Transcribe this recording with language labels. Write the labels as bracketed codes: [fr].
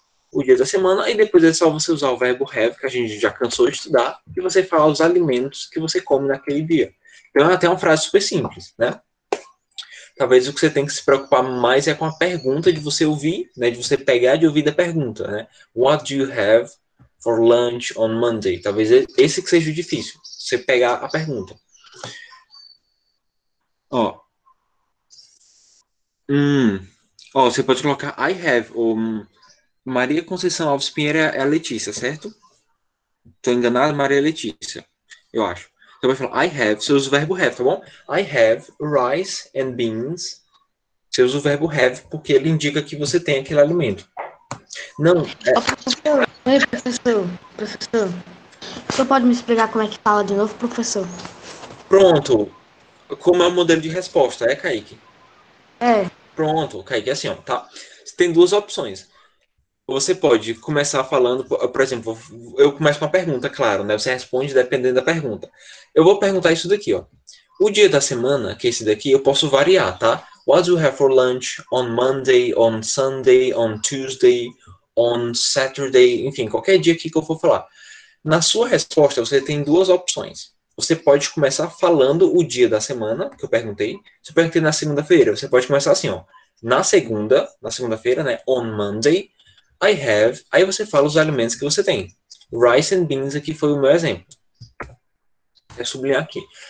[pt] O dia da semana, e depois é só você usar o verbo have, que a gente já cansou de estudar, e você falar os alimentos que você come naquele dia. Então, é até uma frase super simples, né? Talvez o que você tem que se preocupar mais é com a pergunta de você ouvir, né? De você pegar de ouvir da pergunta, né? [en] What do you have for lunch on Monday? [pt] Talvez esse que seja o difícil, você pegar a pergunta. Ó. Ó, você pode colocar [en] I have. [pt] Ou Maria Conceição Alves Pinheiro é a Letícia, certo? Tô enganado, Maria Letícia, eu acho. Então, vai falar, [en] I have, [pt] você usa o verbo have, tá bom? [en] I have rice and beans. [pt] Você usa o verbo have porque ele indica que você tem aquele alimento. Não, é... Oh, professor, oi, professor, professor. O senhor pode me explicar como é que fala de novo, professor? Pronto. Como é o modelo de resposta, é, Kaique? É. Pronto, Kaique, é assim, ó, tá? Você tem duas opções. Você pode começar falando, por exemplo, eu começo com uma pergunta, claro, né? Você responde dependendo da pergunta. Eu vou perguntar isso daqui, ó. O dia da semana, que é esse daqui, eu posso variar, tá? [en] What do you have for lunch on Monday, on Sunday, on Tuesday, on Saturday? [pt] Enfim, qualquer dia aqui que eu for falar. Na sua resposta, você tem duas opções. Você pode começar falando o dia da semana, que eu perguntei. Se eu perguntei na segunda-feira, você pode começar assim, ó. Na segunda-feira, né? [en] On Monday... I have, [pt] aí você fala os alimentos que você tem. [en] Rice and beans [pt] aqui foi o meu exemplo. É sublinhar aqui.